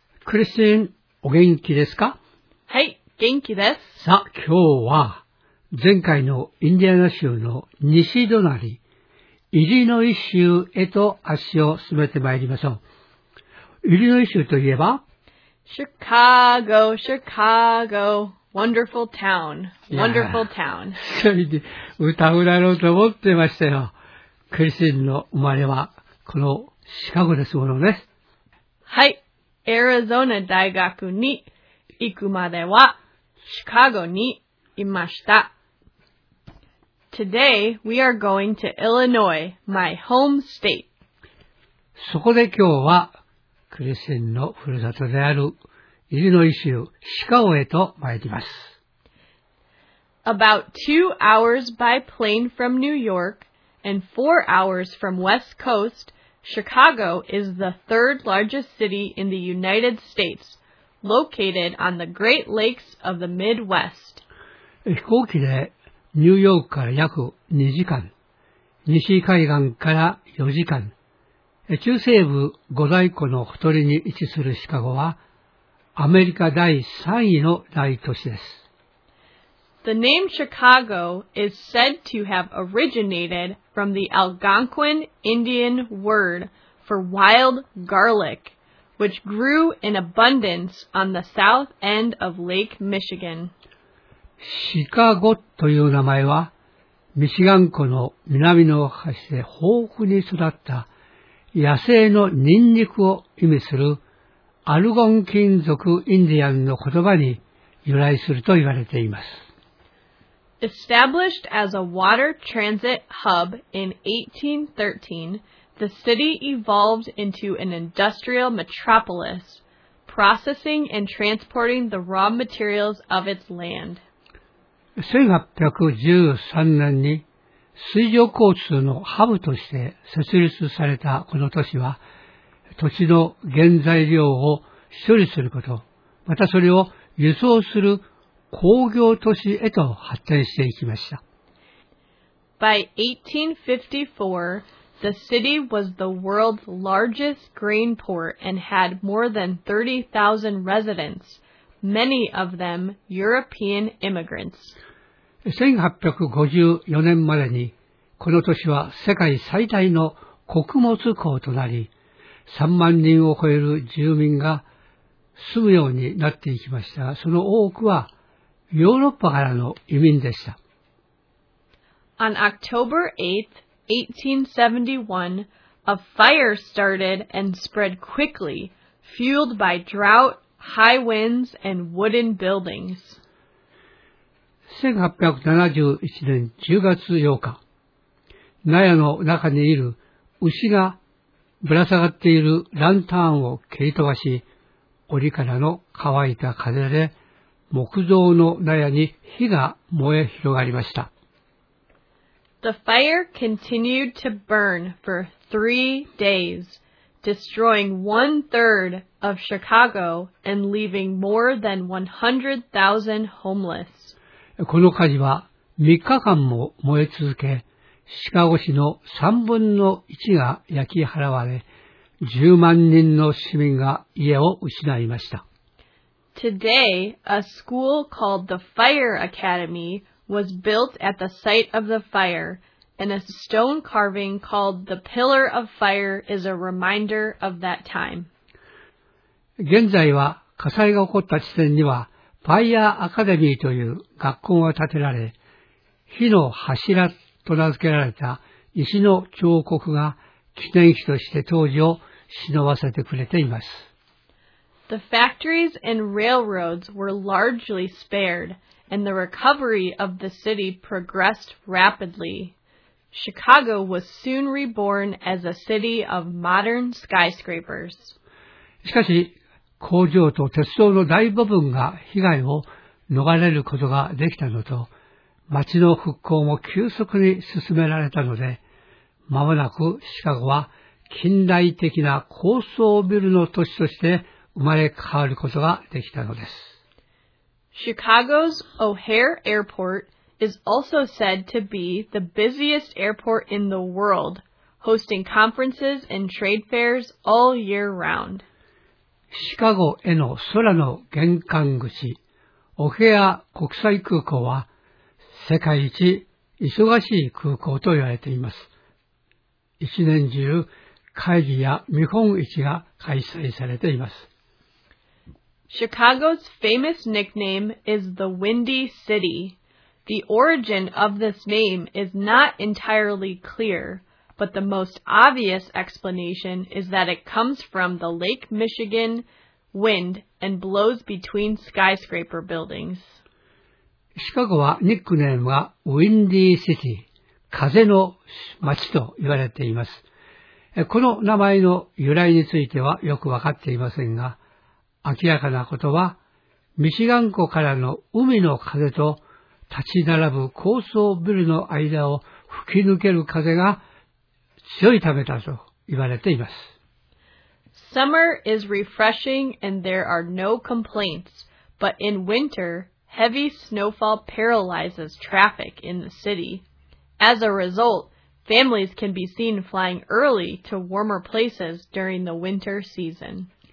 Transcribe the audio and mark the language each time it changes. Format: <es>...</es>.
<ja>クリスティン、お元気ですか？はい、元気です。さあ、今日は前回のインディアナ州の西隣、イリノイ州へと足を進めてまいりましょう。イリノイ州といえば？</ja> <en>シカゴ、シカゴ、wonderful town, wonderful town。</en> <ja>それで歌うだろうと思ってましたよ。クリスティンの生まれはこのシカゴですものね。はい。アリゾナ大学に行くまでは、シカゴにいました。</ja> <en>Today, we are going to Illinois, my home state.</en> <ja>そこで今日は、クリスティンのふるさとである、イリノイ州、シカゴへと参ります。</ja> <en>About 2 hours by plane from New York and 4 hours from West Coast,Chicago is the third largest city in the United States, located on the Great Lakes of the Midwest.</en> <ja>飛行機でニューヨークから約2時間、西海岸から4時間、中西部五大湖のほとりに位置するシカゴはアメリカ第3位の大都市です。</ja> <en>The name Chicago is said to have originated from the Algonquin Indian word for wild garlic, which grew in abundance on the south end of Lake Michigan.</en> <ja>シカゴという名前は、ミシガン湖の南の端で豊富に育った野生のニンニクを意味するアルゴンキン族インディアンの言葉に由来すると言われています。</ja> <en>Established as a water transit hub in 1813, the city evolved into an industrial metropolis, processing and transporting the raw materials of its land.</en> <ja>1813年に水上交通のハブとして設立されたこの都市は、土地の原材料を処理すること、またそれを輸送する工業都市へと発展していきました。</ja> <en>By 1854, the city was the world's largest grain port and had more than 30,000 residents, many of them European immigrants.</en> <ja>1854年までに、この都市は世界最大の穀物港となり、3万人を超える住民が住むようになっていきましたが、その多くはヨーロッパからの移民でした。</ja> <en>On October 8th, 1871, a fire started and spread quickly, fueled by drought, high winds, and wooden buildings.</en> <ja>1871年10月8日、納屋の中にいる牛がぶら下がっているランタンを蹴り飛ばし、檻からの乾いた風で木造の納屋に火が燃え広がりました。</ja> <en>The fire continued to burn for 3 days, destroying 1/3 of Chicago and leaving more than 100,000 homeless.</en> <ja>この火事は3日間も燃え続け、シカゴ市の3分の1が焼き払われ、10万人の市民が家を失いました。</ja> <en>Today, a school called the Fire Academy was built at the site of the fire, and a stone carving called the Pillar of Fire is a reminder of that time.</en> <ja>現在は火災が起こった地点には、Fire Academy という学校が建てられ、火の柱と名付けられた石の彫刻が記念碑として当時を忍ばせてくれています。</ja> <en>The factories and railroads were largely spared, and the recovery of the city progressed rapidly. Chicago was soon reborn as a city of modern skyscrapers.</en> <ja>しかし、工場と鉄道の大部分が被害を逃れることができたのと、町の復興も急速に進められたので、まもなくシカゴは近代的な高層ビルの都市として生まれ変わることができたのです。</ja> <en>Chicago's O'Hare Airport is also said to be the busiest airport in the world, hosting conferences and trade fairs all year round.</en> <ja>シカゴへの空の玄関口、オヘア国際空港は世界一忙しい空港と言われています。一年中会議や見本市が開催されています。</ja> <en>Chicago's famous nickname is the Windy City. The origin of this name is not entirely clear, but the most obvious explanation is that it comes from the Lake Michigan wind and blows between skyscraper buildings.</en> <ja>シカゴはニックネームは Windy City、風の街と言われています。この名前の由来についてはよくわかっていませんが、明らかなことは、ミシガン湖からの海の風と立ち並ぶ高層ビルの間を吹き抜ける風が強いためだと言われています。</ja> <en>Summer is refreshing and there are no complaints, but in winter, heavy snowfall paralyzes traffic in the city. As a result, families can be seen flying early to warmer places during the winter season.</en>